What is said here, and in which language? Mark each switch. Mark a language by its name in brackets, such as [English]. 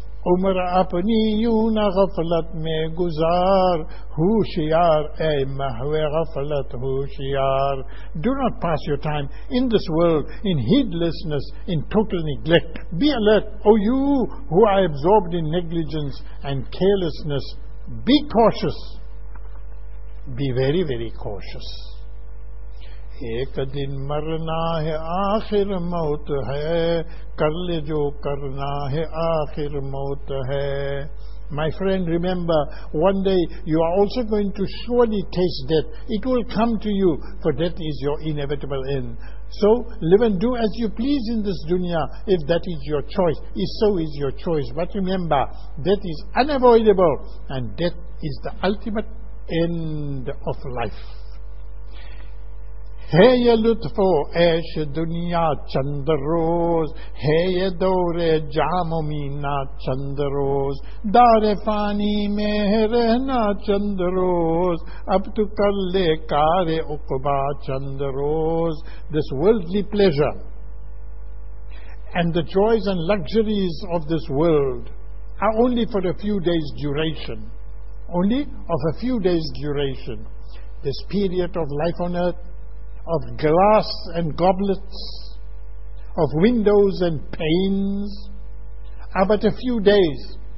[Urdu] عمر اپنی یوں نہ غفلت میں گزار, ہوشیار اے محو غفلت ہوشیار. [English] Do not pass your time in this world in heedlessness, in total neglect. Be alert, O you who are absorbed in negligence and carelessness. Be cautious. Be very, very cautious. [Urdu] ایک دن مرنا ہے آخر موت ہے, کر لے جو کرنا ہے آخر موت ہے. [English] My friend, remember, one day you are also going to surely taste death. It will come to you, for death is your inevitable end. So live and do as you please in this dunya, if that is your choice, if so is your choice. But remember, death is unavoidable, and death is the ultimate end of life. [Urdu] ہے یہ لطف و عیش دنیا چند روز, ہے یہ دور جام و مینا چند روز, دار فانی میں ہے رہنا چند روز, اب تو کر لے کار عقبا چند روز. [English] This worldly pleasure and the joys and luxuries of this world are only for a few days duration, only of a few days duration. This period of life on earth, of glass and goblets, of windows and panes, are but a few days.